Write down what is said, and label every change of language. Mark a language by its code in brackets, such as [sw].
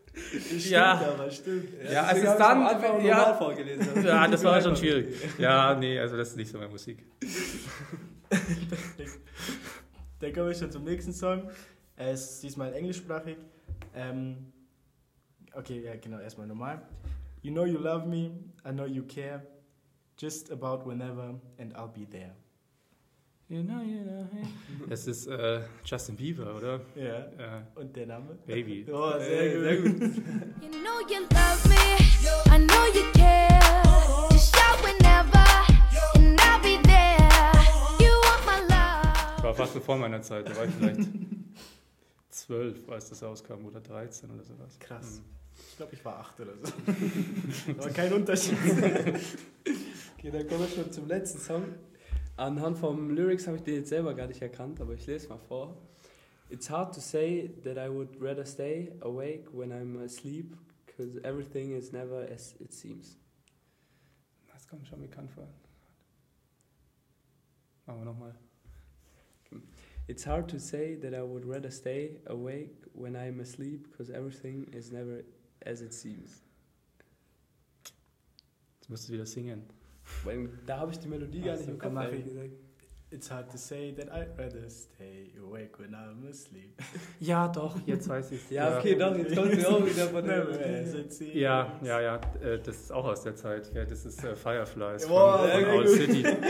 [de] Stimmt, ja. Aber stimmt. Ja, es ist dann... Einfach auch normal vorgelesen. Ja, das war schon schwierig. Ja, nee, also das ist nicht so meine Musik. Dann kommen wir schon zum nächsten Song. Er ist diesmal englischsprachig. Okay, ja, genau, erstmal normal. [en] You know you love me, I know you care, just about whenever, and I'll be there. You know. [de] Es ist Justin Bieber, oder? Ja. Yeah. Und der Name? Baby. Oh, sehr gut. [en] You know you love me, I know you care, just about whenever, and I'll be there. You are my love. [de] War fast bevor meiner Zeit, da war ich vielleicht. 12, als das rauskam, oder 13 oder sowas. Krass. Ich glaube, ich war 8 oder so. Aber kein Unterschied. Okay, dann kommen wir schon zum letzten Song. Anhand vom Lyrics habe ich den jetzt selber gar nicht erkannt, aber ich lese mal vor. [en] It's hard to say that I would rather stay awake when I'm asleep, because everything is never as it seems. [de] Das kommt schon bekannt vor. Machen wir nochmal. [en] It's hard to say that I would rather stay awake when I'm asleep, because everything is never as it seems. [de] Jetzt musst du wieder singen. When, da habe ich die Melodie gar nicht im Kopf. [en] It's hard to say that I'd rather stay awake when I'm asleep. [de] Ja, doch, jetzt weiß ich es. Ja, okay, doch, jetzt kommt sie auch wieder von der Melodie. Ja, ja, ja, das ist auch aus der Zeit. Ja, das ist Fireflies von Owl City.